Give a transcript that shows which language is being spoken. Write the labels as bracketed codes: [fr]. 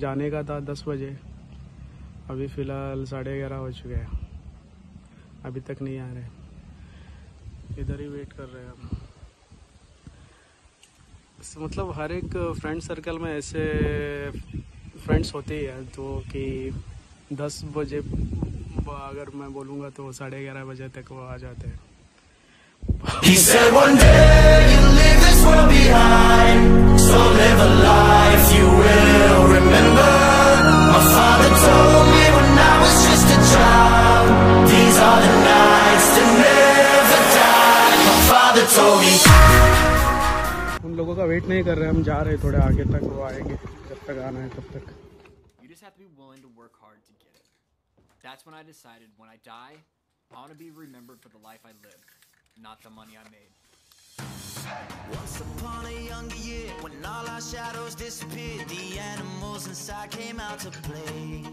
[hi] जाने का था 10 बजे, अभी फिलहाल 11:30 हो चुके हैं, अभी तक नहीं आ रहे, इधर ही वेट कर रहे हैं हम। मतलब हर एक फ्रेंड सर्कल में ऐसे फ्रेंड्स होते ही हैं जो कि 10 बजे अगर मैं बोलूँगा तो 11:30 बजे तक वो आ जाते हैं। [en] He said one day you leave this world behind, so live a life you will remember. My father told me when I was just a child, these are the nights to never die. My father told me. [hi] उन लोगों का wait नहीं कर रहे हम, जा रहे थोड़े आगे तक, वो आएंगे जब तक आना है तब तक। [en] You just have to be willing to work hard to get it. That's when I decided when I die, I want to be remembered for the life I lived. Not the money I made. Once upon a younger year, when all our shadows disappeared, the animals inside came out to play.